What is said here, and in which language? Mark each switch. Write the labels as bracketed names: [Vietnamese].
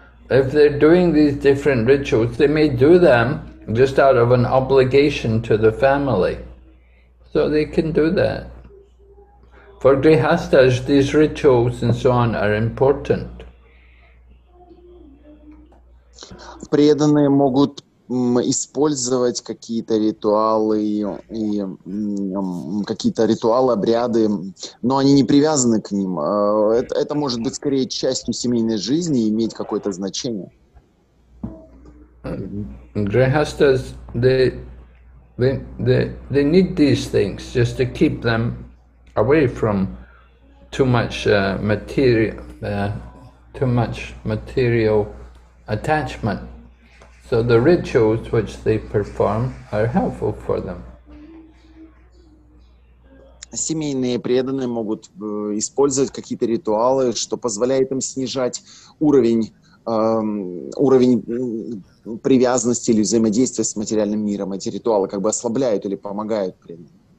[English] If they're doing these different rituals, they may do them just out of an obligation to the family. So they can do that. For grihasthas, these rituals and so on are important. [Russian] Преданные могут использовать какие-то ритуалы, обряды, но они не привязаны к ним. Это может быть скорее частью семейной жизни и иметь какое-то значение. [English] Grihasthas, they need these things just to keep them away from too much material attachment. So the rituals which they perform are helpful for them. [Russian] Семейные преданные могут использовать какие-то ритуалы, что позволяет им снижать уровень привязанности или взаимодействия с материальным миром. Эти ритуалы как бы ослабляют или помогают преданным.